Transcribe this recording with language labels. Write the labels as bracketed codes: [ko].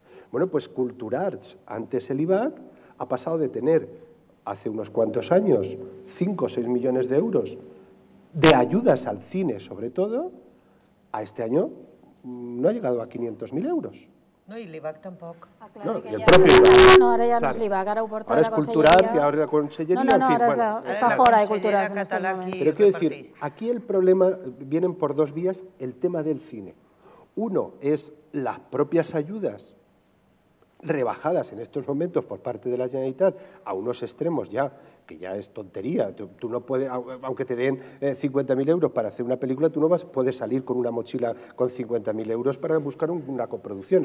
[es] Bueno, pues CulturArts, antes el IBAC, ha pasado de tener, hace unos cuantos años, 5 o 6 millones de euros de ayudas al cine, sobre todo, a este año no ha llegado a 500.000 euros. [ca] No, i l'IBAC tampoc. No, i el propi IBAC. No, ara ja no és l'IBAC, ara ho porta la Conselleria. Ara és Cultural, i ara és la Conselleria. No, ara està fora de Cultural. [es] Però quiero decir, aquí el problema, vienen por dos vías, el tema del cine. Uno es las propias ayudas, rebajadas en estos momentos por parte de la Generalitat a unos extremos ya, que ya es tontería. Tú no puedes, aunque te den 50.000 euros para hacer una película, tú no vas, puedes salir con una mochila con 50.000 euros para buscar una coproducción.